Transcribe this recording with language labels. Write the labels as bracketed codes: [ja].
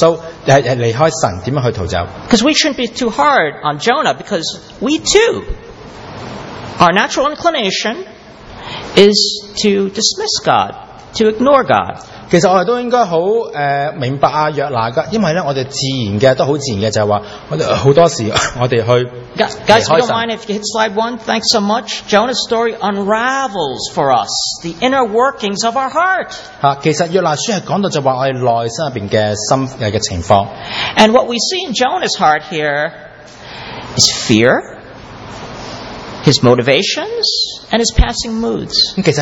[zh] 所以我們很重要的就是看約拿書,看約拿怎樣去想去逃走,去離開耶穌,離開神怎樣去逃走。 [en] Because we shouldn't be too hard on Jonah, because we too, our natural inclination is to dismiss God, to ignore God. [zh] 其實我們都應該很明白約拿,因為我們很自然的就是說,很多時候我們去... [en] Guys, if you don't mind if you hit slide one, thanks so much. Jonah's story unravels for us the inner workings of our heart. [zh] 其實約拿書是講到就是說我們內心裡面的心的情況。 [en] And what we see in Jonah's heart here is fear, his motivations, and his passing moods.